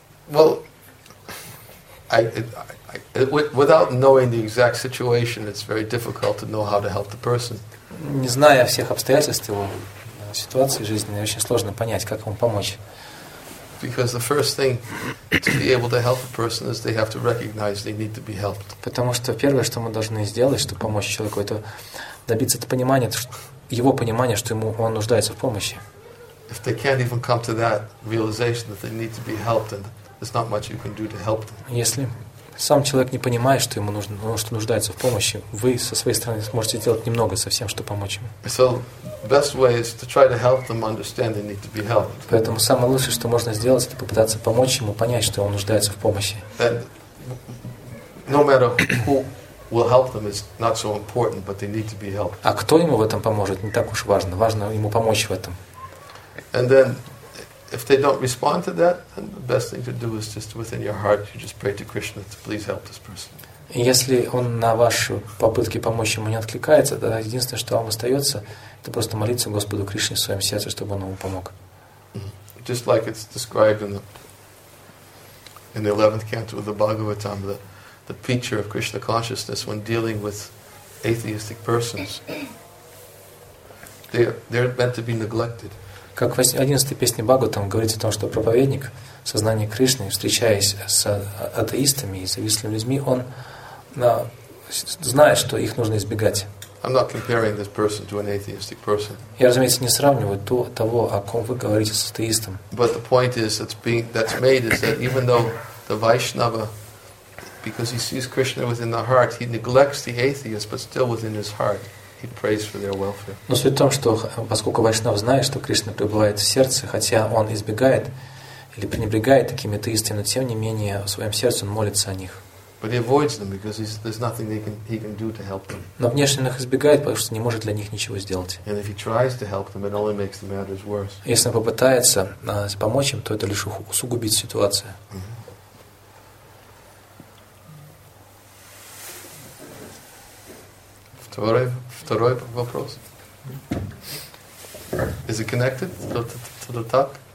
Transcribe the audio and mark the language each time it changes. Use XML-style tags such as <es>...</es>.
<en>Well. Without knowing the exact situation, it's very difficult to know how to help the person.</en> <ru>Не зная всех обстоятельств его ситуации жизненной, очень сложно понять, как ему помочь.</ru> <en>Because the first thing to be able to help a person is they have to recognize they need to be helped.</en> <ru>Потому что первое, что мы должны сделать, чтобы помочь человеку, это добиться его понимания, что ему он нуждается в помощи.</ru> <en>If they can't even come to that realization that they need to be helped, and there's not much you can do to help them.</en> <ru>Если сам человек не понимает, что ему нужно, но что нуждается в помощи, вы со своей стороны сможете сделать немного совсем, чтобы помочь ему.</ru> <en>So best way is to try to help them understand they need to be helped.</en> <ru>Поэтому самое лучшее, что можно сделать, это попытаться помочь ему понять, что он нуждается в помощи.</ru> <en>And no matter who will help them is not so important, but they need to be helped.</en> <ru>А кто ему в этом поможет, не так уж важно. Важно ему помочь в этом.</ru> <en>And then if they don't respond to that, then the best thing to do is just within your heart you just pray to Krishna to please help this person.</en> <ru>Если он на ваши попытки помочь ему не откликается, тогда единственное, что вам остается, это просто молиться Господу Кришне в своем сердце, чтобы он ему помог.</ru> <en>Just like it's described in the 11th canto of the Bhagavatam, the preacher of Krishna consciousness when dealing with atheistic persons, they're meant to be neglected.</en> <ru>Как в 11-й песне Бхагаватам говорится о том, что проповедник, сознание Кришны, встречаясь с атеистами и завистливыми людьми, он знает, что их нужно избегать. Я, разумеется, не сравниваю того, о ком вы говорите с атеистом.</ru> <en>But the point is that's made is that even though the Vaishnava, because he sees Krishna within the heart, he neglects the atheist, but still within his heart. He prays for their welfare.</en> <ru>Но суть в том, что поскольку Вайшнав знает, что Кришна пребывает в сердце, хотя он избегает или пренебрегает такими атеистами, но тем не менее в своем сердце он молится о них.</ru> <en>But he avoids them because there's nothing he can do to help them.</en> <ru>Но внешне их избегает, потому что не может для них ничего сделать.</ru> <en>And if he tries to help them, it only makes the matters worse.</en> <ru>Если он попытается помочь им, то это лишь усугубит ситуацию. Второй вопрос.</ru> <en>Is it connected to the talk?</en>